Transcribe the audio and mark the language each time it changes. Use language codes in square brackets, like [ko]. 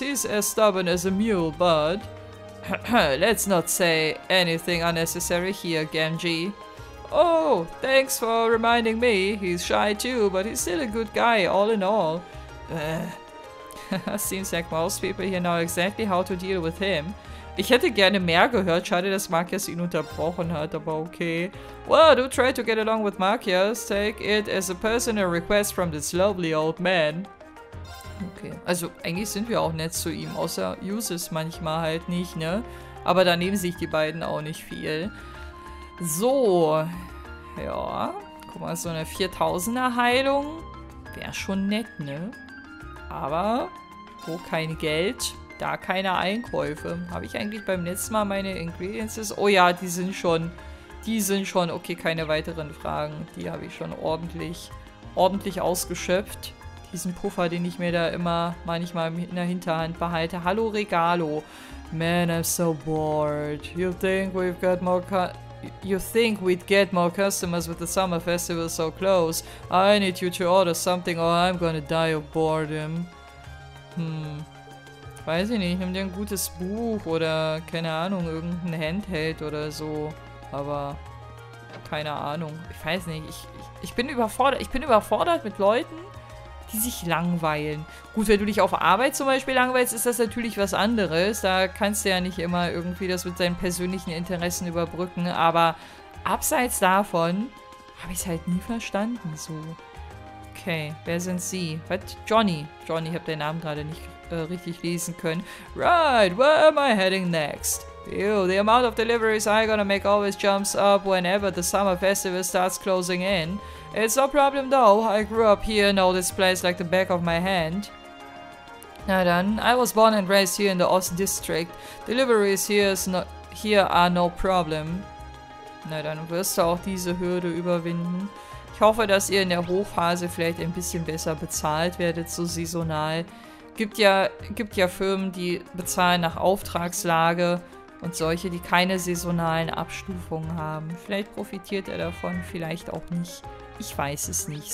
[en] He's as stubborn as a mule, but... Let's not say anything unnecessary here, Gamgee. Oh, thanks for reminding me. He's shy too, but he's still a good guy, all in all. Seems like most people here know exactly how to deal with him. [de] Ich hätte gerne mehr gehört. Schade, dass Marcus ihn unterbrochen hat, aber okay. [en] Well, do try to get along with Marcus. Take it as a personal request from this lovely old man. [de] Okay, also eigentlich sind wir auch nett zu ihm, außer Uses manchmal halt nicht, ne? Aber da nehmen sich die beiden auch nicht viel. So, ja, guck mal, so eine 4000er Heilung wäre schon nett, ne? Aber wo kein Geld, da keine Einkäufe. Habe ich eigentlich beim letzten Mal meine Ingredients? Oh ja, die sind schon, okay, keine weiteren Fragen. Die habe ich schon ordentlich ausgeschöpft. Diesen Puffer, den ich mir da immer manchmal in der Hinterhand behalte. Hallo, Regalo. [en] Man, I'm so bored. You think we'd get more customers with the summer festival so close? I need you to order something or I'm gonna die of boredom. [de] Weiß ich nicht, nimm dir ein gutes Buch oder, keine Ahnung, irgendein Handheld oder so. Aber, keine Ahnung. Ich weiß nicht, ich bin überfordert mit Leuten, die sich langweilen. Gut, wenn du dich auf Arbeit zum Beispiel langweilst, ist das natürlich was anderes. Da kannst du ja nicht immer irgendwie das mit deinen persönlichen Interessen überbrücken. Aber abseits davon habe ich es halt nie verstanden. So. Okay, wer sind sie? Was? Johnny. Johnny, ich habe deinen Namen gerade nicht richtig lesen können. [en] Right, where am I heading next? Ew, the amount of deliveries I gotta make always jumps up whenever the summer festival starts closing in. It's no problem though, I grew up here and know this place like the back of my hand. [de] Na dann, [en] I was born and raised here in the Ost District. Deliveries here are no problem. [de] Na dann, wirst du auch diese Hürde überwinden. Ich hoffe, dass ihr in der Hochphase vielleicht ein bisschen besser bezahlt werdet, so saisonal. Gibt ja Firmen, die bezahlen nach Auftragslage. Und solche, die keine saisonalen Abstufungen haben. Vielleicht profitiert er davon, vielleicht auch nicht. Ich weiß es nicht.